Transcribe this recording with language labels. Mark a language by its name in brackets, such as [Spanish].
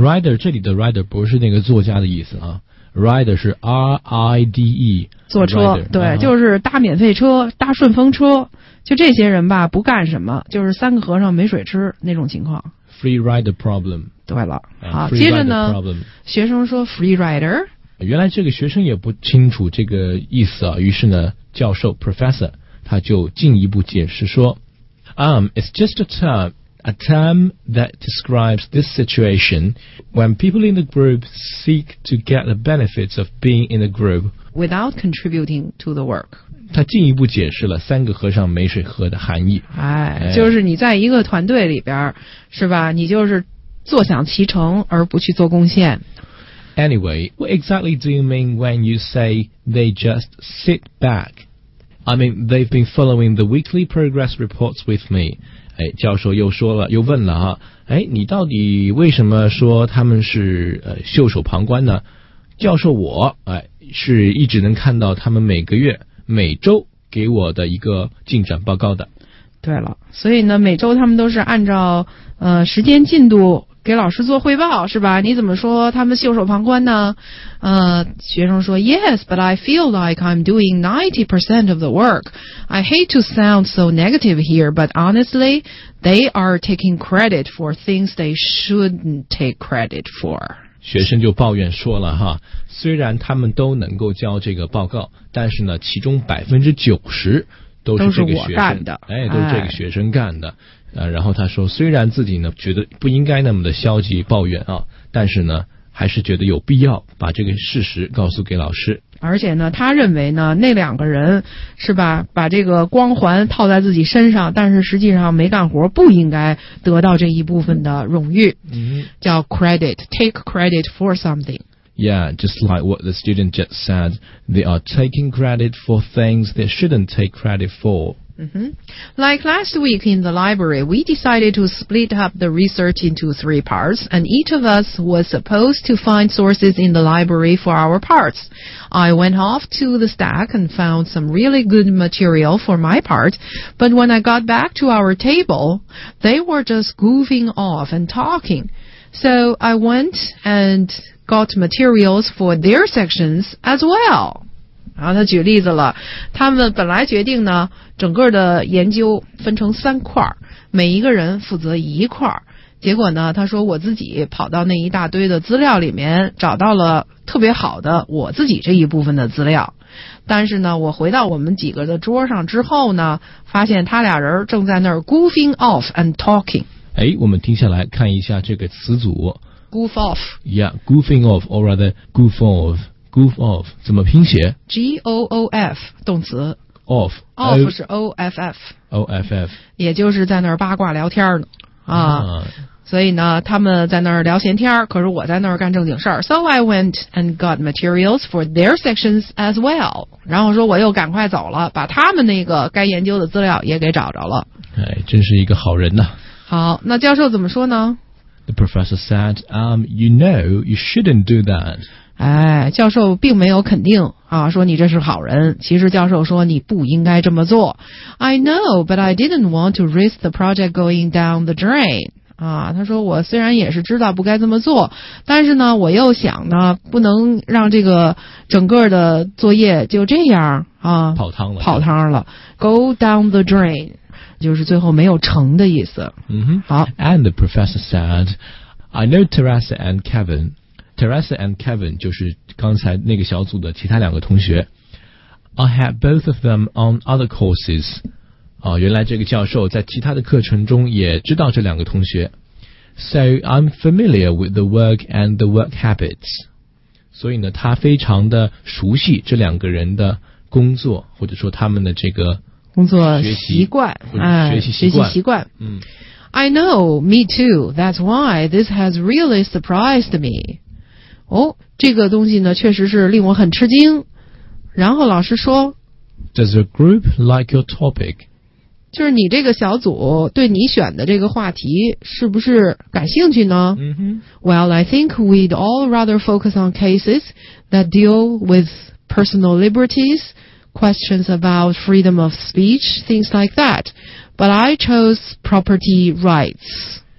[Chinese] Rider 这里的 rider 不是那个作家的意思啊， rider 是 R-I-D-E，坐车 [English] rider, [Chinese] 对、就是搭免费车，搭顺风车，就这些人吧，不干什么，就是三个和尚没水吃那种情况。 [English] free rider problem， [Chinese] 对了，好，接着呢学生说 free rider，原来这个学生也不清楚这个意思啊，于是呢教授 professor 他就进一步解释说 [English] it's just a term that describes this situation when people in the group seek to get the benefits of being in a group without contributing to the work。 [Chinese] 他进一步解释了三个和尚没水喝的含义。哎，就是你在一个团队里边是吧，你就是坐享其成而不去做贡献。 [English] Anyway, what exactly do you mean when you say they just sit back? I mean, they've been following the weekly progress reports with me. [Chinese] 哎，教授又说了，又问了哈，哎，你到底为什么说他们是袖手旁观呢？教授我，哎，是一直能看到他们每个月、每周给我的一个进展报告的。对了，所以呢，每周他们都是按照时间进度给老师做汇报是吧，你怎么说他们袖手旁观呢？学生说 [English] Yes, but I feel like I'm doing 90% of the work. I hate to sound so negative here, but honestly, they are taking credit for things they shouldn't take credit for. [Chinese] 学生就抱怨说了哈，虽然他们都能够交这个报告，但是呢其中 90% 都是我干的，哎，都是这个学生干的。然后他说虽然自己呢觉得不应该那么的消极抱怨啊，但是呢还是觉得有必要把这个事实告诉给老师。而且呢他认为呢那两个人是吧把这个光环套在自己身上，但是实际上没干活，不应该得到这一部分的荣誉。叫 credit, [English] take credit for something。 Yeah, just like what the student just said, they are taking credit for things they shouldn't take credit for. Like last week in the library, we decided to split up the research into three parts, and each of us was supposed to find sources in the library for our parts. I went off to the stack and found some really good material for my part, but when I got back to our table, they were just goofing off and talking. So I went and got materials for their sections as well. [Chinese] 然后他举例子了，他们本来决定呢整个的研究分成三块，每一个人负责一块，结果呢他说我自己跑到那一大堆的资料里面找到了特别好的我自己这一部分的资料，但是呢我回到我们几个的桌上之后呢，发现他俩人正在那儿 [English] goofing off and talking。 [Chinese] 哎，我们听下来看一下这个词组 [English] goof off。 Yeah, goofing off or rather goof offGoof off [Chinese] 怎么拼写？G-O-O-F 动词。 [English] Off。 [Chinese] Off 是 O-F-F。 [English] O-F-F。 [Chinese] 也就是在那儿八卦聊天呢。所以呢他们在那儿聊闲天，可是我在那儿干正经事儿。 [English] So I went and got materials for their sections as well. [Chinese] 然后说我又赶快走了，把他们那个该研究的资料也给找着了。哎，真是一个好人呐。好，那教授怎么说呢 [English] ？The professor said, you know, you shouldn't do that. [Chinese] 哎，教授并没有肯定啊，说你这是好人，其实教授说你不应该这么做。 [English] I know, but I didn't want to risk the project going down the drain. [Chinese] 啊，他说我虽然也是知道不该这么做，但是呢我又想呢不能让这个整个的作业就这样啊跑汤了，跑汤了， [English] go down the drain [Chinese] 就是最后没有成的意思。好， [English] and the professor said, I know Teresa and KevinTeresa and Kevin [Chinese] 就是刚才那个小组的其他两个同学。 [English] I had both of them on other courses. [Chinese] 啊，原来这个教授在其他的课程中也知道这两个同学。 [English] So I'm familiar with the work and the work habits. [Chinese] 所以呢，他非常的熟悉这两个人的工作，或者说他们的这个工作学习习惯，学习习惯。嗯。 [English] I know, me too. That's why this has really surprised me. [Chinese] 哦，这个东西呢确实是令我很吃惊。然后老师说 [English] Does a group like your topic? [Chinese] 就是你这个小组对你选的这个话题是不是感兴趣呢？ [English] Well, I think we'd all rather focus on cases that deal with personal liberties, questions about freedom of speech, things like that. But I chose property rights.